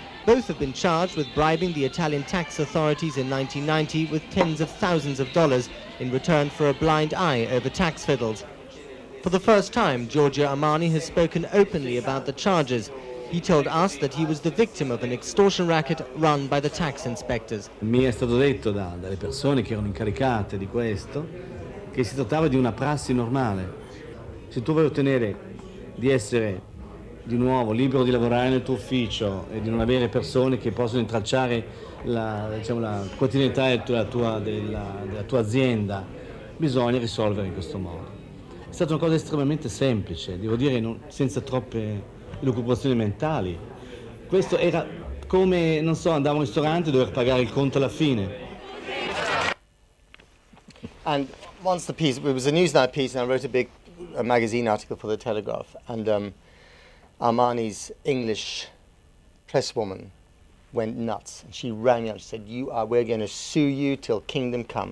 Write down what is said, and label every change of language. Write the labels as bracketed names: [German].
[English] Both have been charged with bribing the Italian tax authorities in 1990 with tens of thousands of dollars in return for a blind eye over tax fiddles. For the first time, Giorgio Armani has spoken openly about the charges. He told us that he was the victim of an extortion racket run by the tax inspectors. [Italian] Mi è stato detto dalle persone che erano incaricate di questo che si trattava di una prassi normale. Se tu vuoi ottenere di essere di nuovo libero di lavorare nel tuo ufficio e di non avere persone che possono intralciare la quotidianità della tua azienda, bisogna risolvere in questo modo. È stata una cosa estremamente semplice, devo dire, senza troppe lucubrazioni mentali. Questo era come, non so, andavo in ristorante e dover pagare il conto alla fine. [English] And once the piece, it was a Newsnight piece, and I wrote a magazine article for the Telegraph, and Armani's English presswoman went nuts. And she rang me up and said, we're going to sue you till kingdom come.